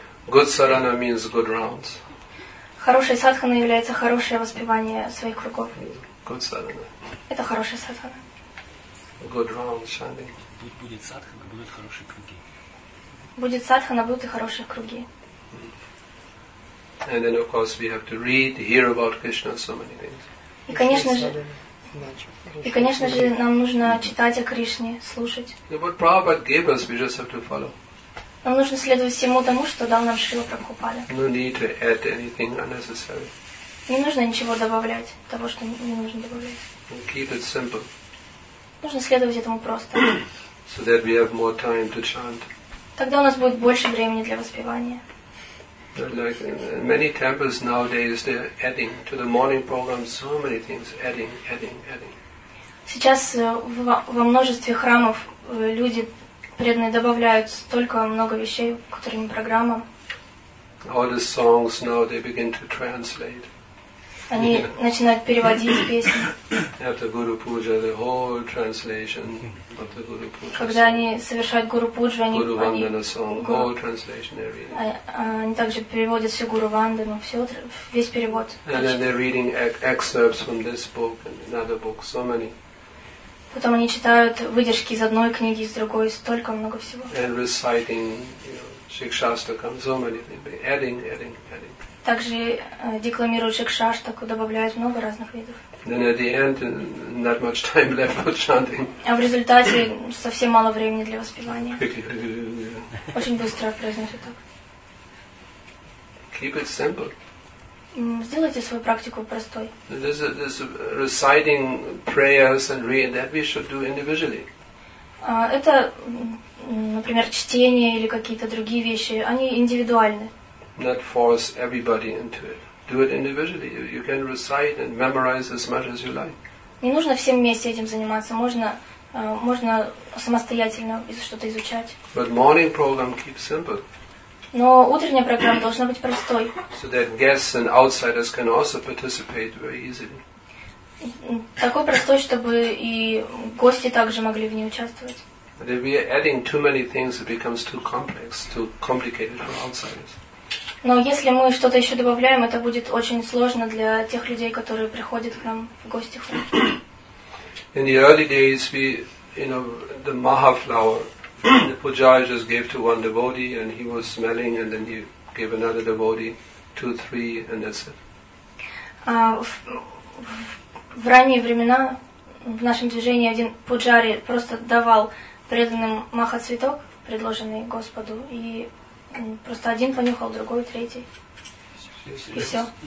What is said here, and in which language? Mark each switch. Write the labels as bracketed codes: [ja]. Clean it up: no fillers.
[en] Good sadhana means good rounds. [ru] Хорошая садхана является хорошее воспевание своих кругов. [en] Good sadhana. [ru] Это хорошая садхана. [en] Good round chanting. [ru] Будет садхана, будут хорошие круги. Будет садхана, будут и хорошие круги. [en] And then, of course, we have to read, hear about Krishna, so many things. [ru] И конечно же, нам нужно читать о Кришне, слушать. [en] What Prabhupada gave us, we just have to follow. [ru] Нам нужно следовать всему тому, что дал нам Шрила Прабхупада. [en] No need to add anything unnecessary. [ru] Не нужно ничего добавлять, того, что не нужно добавлять. [en] And keep it simple. [ru] Нужно следовать этому просто. [en] So that we have more time to chant. [ru] Тогда у нас будет больше времени для воспевания. [en] Like many temples nowadays, they're adding to the morning program so many things, adding. [ru] Сейчас во множестве храмов люди преданные добавляют столько много вещей к утренним программам. [en] All the songs now they begin to translate. [ru] Они начинают переводить песни. [en] After Guru Puja, the whole translation of the Guru Puja. [ru] Когда они совершают Гуру Пуджу, они [en] Guru Vandana song, whole translation they're reading. [ru] Они также переводят всю Гуру Вандану, всё, весь перевод. [en] And then they're reading excerpts from this book and another book, so many. [ru] Потом они читают выдержки из одной книги, из другой, столько много всего. [en] And reciting, you know, Шикшастакам, so many things, adding. [ru] Также декламируют Шикшастаку, добавляют много разных видов. [en] Then at the end, not much time left for chanting. [ru] А в результате совсем мало времени для воспевания. [en] Yeah. [ru] Очень быстро произносят так. [en] Keep it simple. [ru] Сделайте свою практику простой. [en] This reciting prayers and reading that we should do individually. [ru] Это, например, чтение или какие-то другие вещи, они индивидуальны. [en] Not force everybody into it. Do it individually. You can recite and memorize as much as you like. [ru] Не нужно всем вместе этим заниматься. Можно самостоятельно что-то изучать. [en] But morning program keeps simple. [ru] Но утренняя программа должна быть простой. [en] So that guests and outsiders can also participate very easily. [ru] Такой простой, чтобы и гости также могли в ней участвовать. [en] But if we are adding too many things, it becomes too complex, too complicated for outsiders. [ru] Но если мы что-то еще добавляем, это будет очень сложно для тех людей, которые приходят к нам в гости. [en] In the early days, we, you know, the maha flower, the pujari just gave to one devotee, and he was smelling, and then he gave another devotee, two, three, and that's it. [ru] В ранние времена в нашем движении один пуджари просто давал преданным маха цветок, предложенный Господу, и просто один понюхал, другой, третий. И все.